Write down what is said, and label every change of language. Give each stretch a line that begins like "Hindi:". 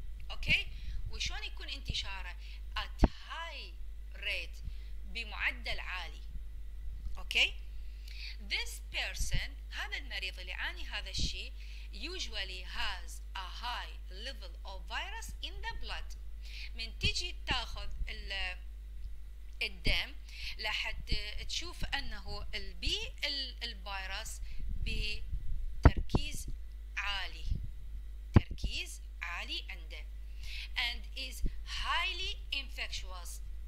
Arabic: Okay؟ وشون يكون انتشاره؟
English: At high rate،
Arabic: بمعدل عالي.
English: Okay. This person,
Arabic: هذا المريض اللي عاني هذا الشيء,
English: usually has a high level of virus in the blood.
Arabic: من تيجي تاخذ الدم لحد تشوف انه البي الفيروس بتركيز عالي. تركيز عالي عنده.
English: And is highly infectious.